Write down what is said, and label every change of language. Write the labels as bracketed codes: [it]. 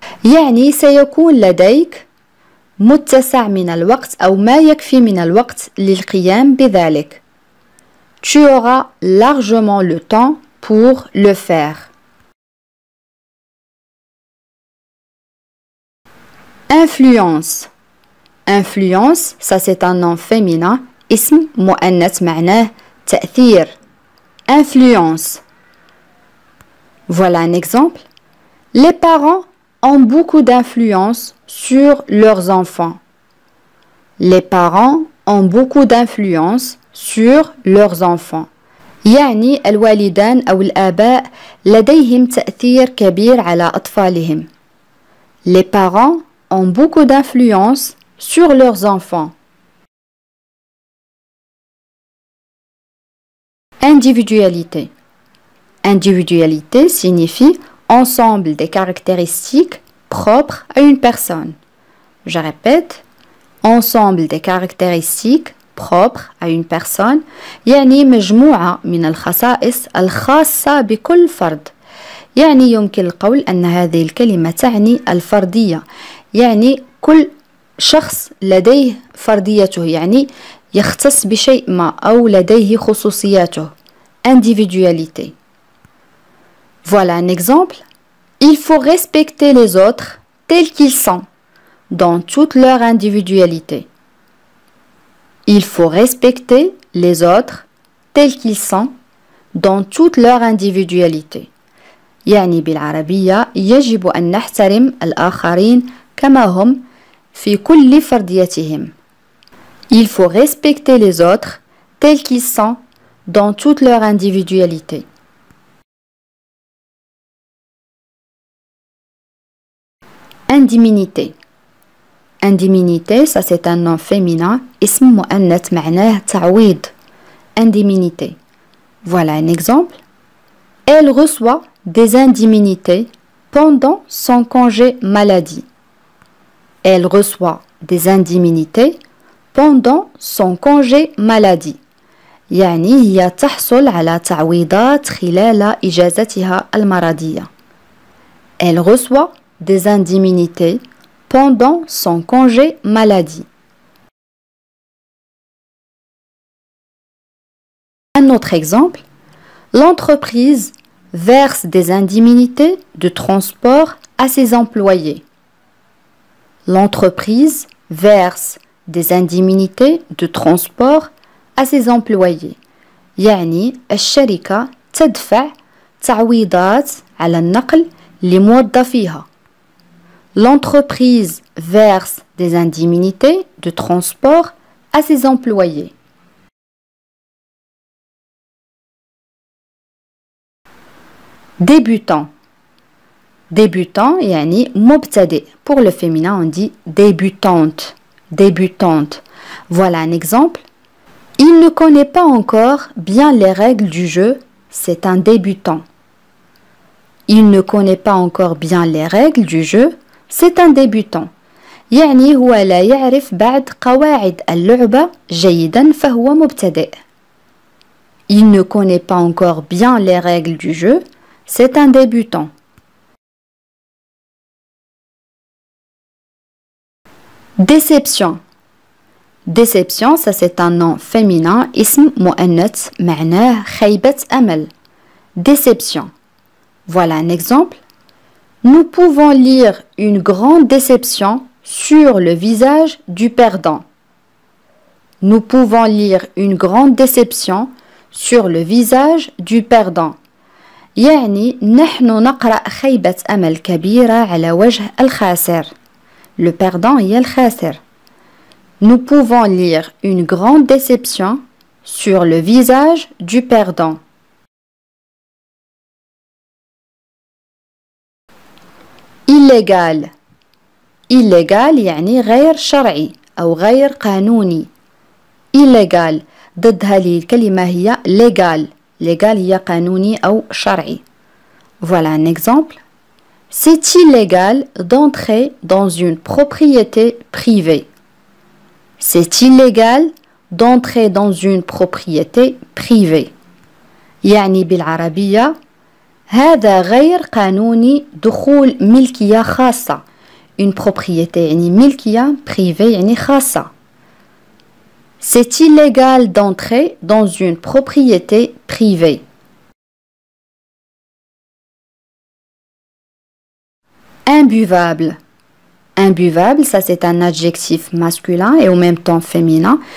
[ar] يعني سيكون لديك متسع من الوقت أو ما يكفي من الوقت للقيام بذلك. [fr] Tu auras largement le temps pour le faire. Influence. Influence, ça c'est un nom féminin. [ar] اسم مؤنث معناه تأثير. Influence. [fr] Voilà un exemple. Les parents ont beaucoup d'influence sur leurs enfants. Les parents ont beaucoup d'influence sur leurs enfants. [ar] يعني الوالدان أو الآباء لديهم تأثير كبير على أطفالهم. [fr] Les parents ont beaucoup d'influence sur leurs enfants. Individualité. Individualité signifie ensemble des caractéristiques propres à une personne. Je répète, ensemble des caractéristiques propres à une personne. [ar] يعني مجموعة من الخصائص الخاصة بكل فرد. يعني يمكن القول أن هذه الكلمة تعني الفردية. يعني كل شخص لديه فرديته. يعني يختص بشيء ما أو لديه خصوصياته. [fr] Individualité. Voilà un exemple. Il faut respecter les autres tels qu'ils sont, dans toute leur individualité. Il faut respecter les autres tels qu'ils sont, dans toute leur individualité. [ar] يعني بالعربية يجب أن نحترم الآخرين كما هم في كل فرديتهم. [fr] Il faut respecter les autres tels qu'ils sont dans toute leur individualité. Indiminité. Indiminité, ça c'est un nom féminin. [ar] اسم مؤنث معناه تعويض. Indiminité. [fr] Voilà un exemple. Elle reçoit des indemnités pendant son congé maladie. Elle reçoit des indemnités pendant son congé maladie. [ar] يعني هي تحصل على تعويضات خلال إجازتها المرضية. [fr] Elle reçoit des indemnités pendant son congé maladie. Un autre exemple. L'entreprise verse des indemnités de transport à ses employés. L'entreprise verse des indemnités de transport à ses employés. [ar] يعني الشركة تدفع تعويضات على النقل لموظفيها. [fr] L'entreprise verse des indemnités de transport à ses employés. Débutant. Débutant, [ar] yani mubtadi. [fr] Pour le féminin, on dit débutante. Débutante. Voilà un exemple. Il ne connaît pas encore bien les règles du jeu. C'est un débutant. Il ne connaît pas encore bien les règles du jeu. C'est un débutant. [ar] يعني هو لا يعرف بعد قواعد اللعبة جيدا فهو مبتدئ. [fr] Il ne connaît pas encore bien les règles du jeu. C'est un débutant. Déception. Déception, ça c'est un nom féminin. [ar] اسم مؤنث معناه خيبة أمل. Déception. [fr] Voilà un exemple. Nous pouvons lire une grande déception sur le visage du perdant. Nous pouvons lire une grande déception sur le visage du perdant. [ar] يعني نحن نقرأ خيبة أمل كبيرة على وجه الخاسر. [fr] Le perdant est le خاسر. Nous pouvons lire une grande déception sur le visage du perdant. Illégal. [ar] Illégal, يعني غير شرعي أو غير قانوني. [fr] Illégal. [ar] ضد هذه الكلمة هي légal. Légal, هي قانوني أو شرعي. [fr] Voilà un exemple. C'est illégal d'entrer dans une propriété privée. C'est illégal d'entrer dans une propriété privée. [ar] يعني بالعربية هذا غير قانوني دخول ملكية خاصة. [fr] Une propriété, [ar] يعني ملكية privée, يعني خاصة. [fr] C'est illégal d'entrer dans une propriété privée. Imbuvable. Imbuvable, ça c'est un adjectif masculin et en même temps féminin.